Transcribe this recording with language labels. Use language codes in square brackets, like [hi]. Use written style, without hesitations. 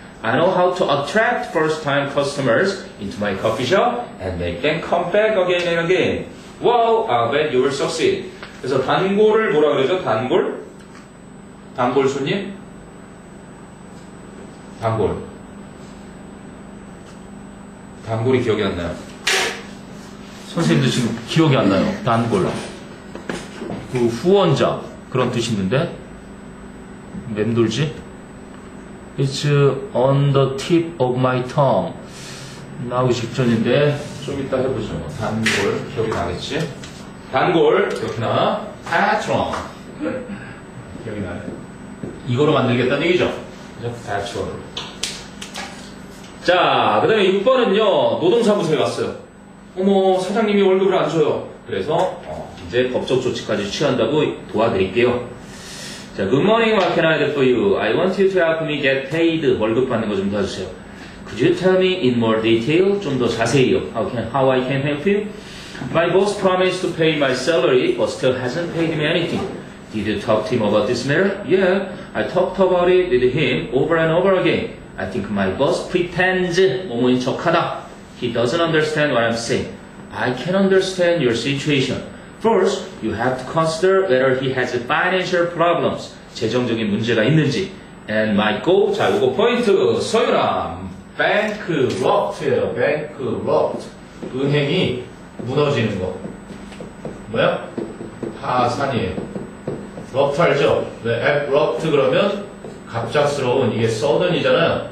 [en] I know how to attract first-time customers into my coffee shop and make them come back again and again. Wow, I bet you will succeed. [ko] 그래서 단골을 뭐라 그러죠? 단골? 단골 손님? 단골. 단골이 기억이 안 나요. 선생님도 지금 기억이 안 나요. 단골. 그 후원자 그런 뜻이 있는데? 맴돌지? [en] It's on the tip of my tongue. [ko] 나오기 직전인데 좀 이따 해보죠. 단골 기억이 나겠지? 단골 기억나? Patron 기억이 나요. 이거로 만들겠다는 얘기죠? [en] Patron. [ko] 자, 그 다음에 6번은요 노동사무소에 갔어요. 어머, 사장님이 월급을 안 줘요. 그래서 이제 법적 조치까지 취한다고 도와드릴게요. [en] 자, good morning, what can I do for you? I want you to help me get paid. [ko] 월급 받는 거 좀 도와주세요. [en] Could you tell me in more detail? [ko] 좀 더 자세히요. [en] How I can help you? My boss promised to pay my salary, but still hasn't paid me anything. Did you talk to him about this matter? Yeah, I talked about it with him over and over again. I think my boss pretends, [ko] 모모인 척하다. [en] He doesn't understand what I'm saying. I can understand your situation. First, you have to consider whether he has financial problems. [ko] 재정적인 문제가 있는지. [en] And my goal, [ko] 자, 요거 포인트. 서유람. Bankrupt예요. Bankrupt. 은행이 무너지는 거. 뭐야? 파산이에요. Rupt 알죠? 왜 abrupt 그러면 갑작스러운, 이게 sudden이잖아요.